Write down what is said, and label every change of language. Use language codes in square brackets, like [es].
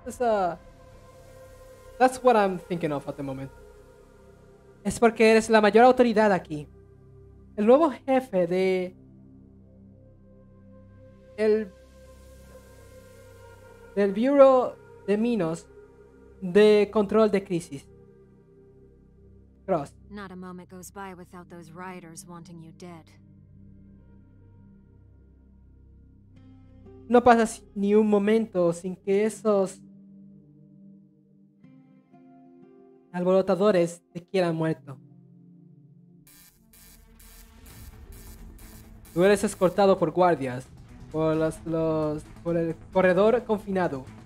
[en] That's what I'm thinking of at the moment. [es] Es porque eres la mayor autoridad aquí. El nuevo jefe de del Bureau de Minos de Control de Crisis. Xross. [en] Not a moment goes by without those rioters wanting you dead. [es] No pasas ni un momento sin que esos alborotadores te quieran muerto. Tú eres escoltado por guardias, por por el corredor confinado.